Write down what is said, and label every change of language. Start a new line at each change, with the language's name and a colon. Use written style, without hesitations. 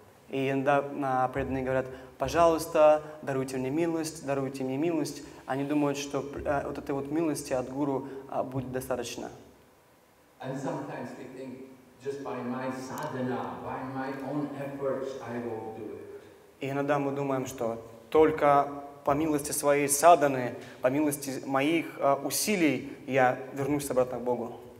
Russian: И иногда преданные говорят, пожалуйста, даруйте мне милость, даруйте мне милость. Они думают, что вот этой вот милости от гуру будет достаточно.
English: And sometimes they think, just by my sadhana, by my own efforts, I will do it.
Russian: И иногда мы думаем, что только по милости своей садханы, по милости моих усилий, я вернусь обратно к Богу.